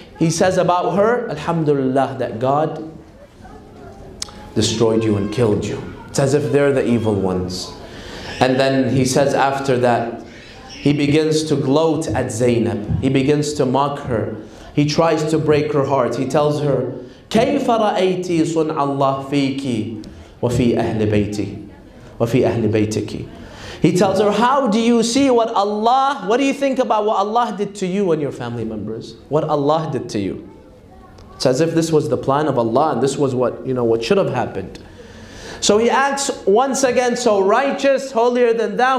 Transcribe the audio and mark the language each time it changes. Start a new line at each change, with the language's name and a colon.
English: He says about her, Alhamdulillah, that God destroyed you and killed you. It's as if they're the evil ones. And then he says after that, he begins to gloat at Zainab. He begins to mock her. He tries to break her heart. He tells her,
Arabic: كيف رأيت صنع الله فيك وفي أهل بيتي وفي أهل بيتك.
English: He tells her, how do you see what Allah, what do you think about what Allah did to you and your family members? What Allah did to you? It's as if this was the plan of Allah and this was what, you know, what should have happened. So he acts once again so righteous, holier than thou.